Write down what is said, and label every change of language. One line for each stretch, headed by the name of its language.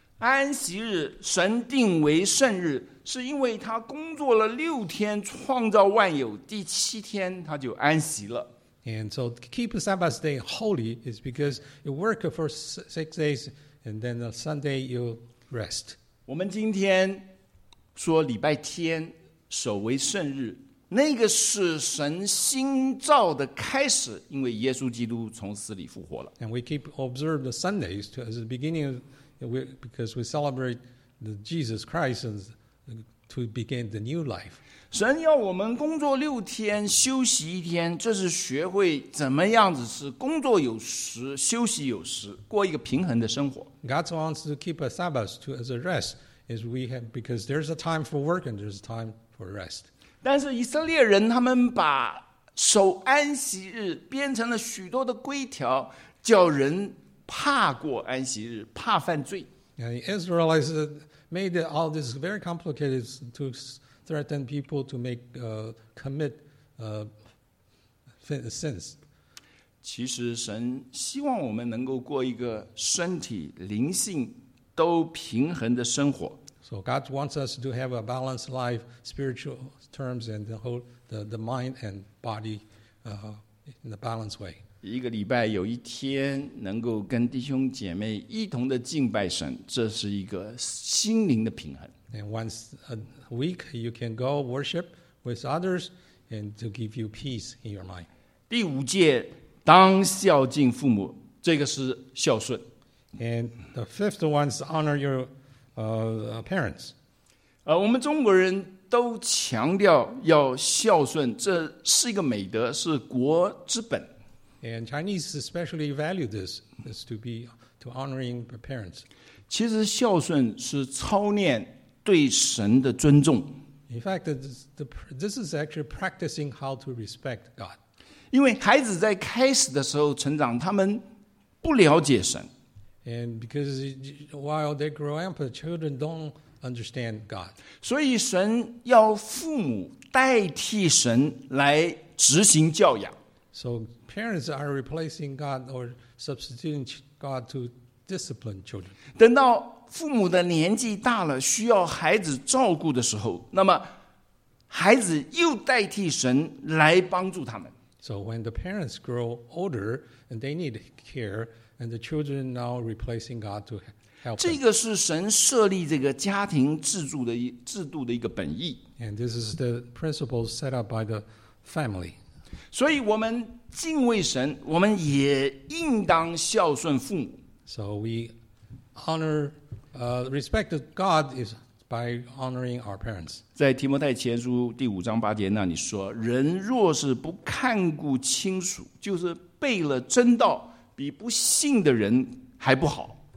Chinese: 安息日神定为圣日，是因为他工作了六天，创造万有，第七天他就安息了。
English: And so keep Sabbath day holy is because you work for six days and then on Sunday you rest.
Chinese: 我们今天说礼拜天守为圣日。那个是神新造的开始，因为耶稣基督从死里复活了。
English: And we keep observe the Sundays as the beginning, because we celebrate the Jesus Christ to begin the new life.
Chinese: 神要我们工作六天，休息一天，这是学会怎么样子是工作有时，休息有时，过一个平衡的生活。
English: God wants to keep a Sabbath to as a rest, as we have because there's a time for work and there's a time for rest.
Chinese: 但是以色列人他们把守安息日变成了许多的规条，叫人怕过安息日，怕犯罪。
English: And Israelites made all this very complicated to threaten people to make commit sins.
Chinese: 其实神希望我们能够过一个身体、灵性都平衡的生活。
English: So God wants us to have a balanced life, spiritual terms, and the whole the mind and body in a balanced way.
Chinese: 一个礼拜有一天能够跟弟兄姐妹一同的敬拜神，这是一个心灵的平衡。
English: And once a week, you can go worship with others and to give you peace in your mind.
Chinese: 第五戒，当孝敬父母，这个是孝顺。
English: And the fifth one is honor your parents.
Chinese: 我们中国人都强调要孝顺，这是一个美德，是国之本。
English: And Chinese especially value this, is to be to honoring parents.
Chinese: 其实孝顺是操练对神的尊重。
English: In fact, this is actually practicing how to respect God.
Chinese: 因为孩子在开始的时候成长，他们不了解神。
English: And because while they grow up, the children don't understand God.
Chinese: 所以神要父母代替神来执行教养。
English: So parents are replacing God or substituting God to discipline children.
Chinese: 等到父母的年纪大了，需要孩子照顾的时候，那么孩子又代替神来帮助他们。
English: So when the parents grow older and they need care, and the children now replacing God to help them.
Chinese: 这个是神设立这个家庭制度的一个本意。
English: And this is the principle set up by the family.
Chinese: 所以我们敬畏神，我们也应当孝顺父母。
English: So we honor, respect God is by honoring our parents.
Chinese: 在提摩太前书第五章八节那里说，人若是不看顾亲属，就是背了真道，比不信的人还不好。